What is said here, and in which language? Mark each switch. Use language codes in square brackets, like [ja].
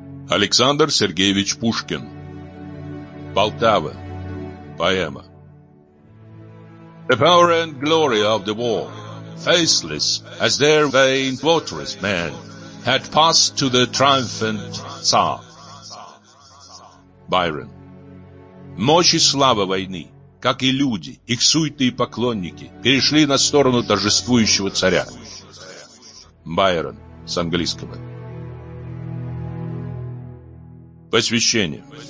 [ru] Александр Сергеевич Пушкин. Полтава. Поэма. [en] The power and glory of the war, faceless as their vain votaries men, had passed to the triumphant Tsar. [ru] Байрон. Мощь и слава войны, как и люди, их суеты и поклонники, перешли на сторону торжествующего царя. Байрон, с английского. Посвящение.